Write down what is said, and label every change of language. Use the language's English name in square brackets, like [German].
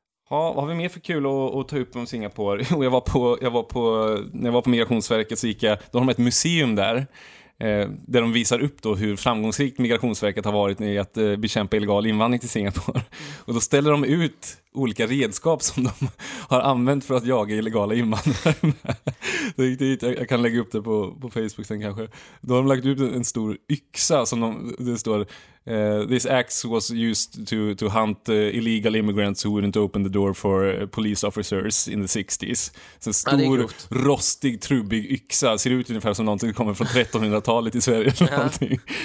[Swedish] Ja, vad har vi mer för kul att ta upp om Singapore? Jo, när jag var på Migrationsverket, så gick jag, då har de ett museum där de visar upp då hur framgångsrikt Migrationsverket har varit i att bekämpa illegal invandring till Singapore. Och då ställer de ut olika redskap som de har använt för att jaga illegala invandrare med. Jag kan lägga upp det på Facebook sen kanske. Då har de lagt ut en stor yxa som det står... [English] this axe was used to hunt illegal immigrants who wouldn't open the door for police officers in the 60s. [Swedish] Så en stor, rostig, trubbig yxa. Ser ut ungefär som någonting som kommer från 1300-talet i Sverige. Eller någonting.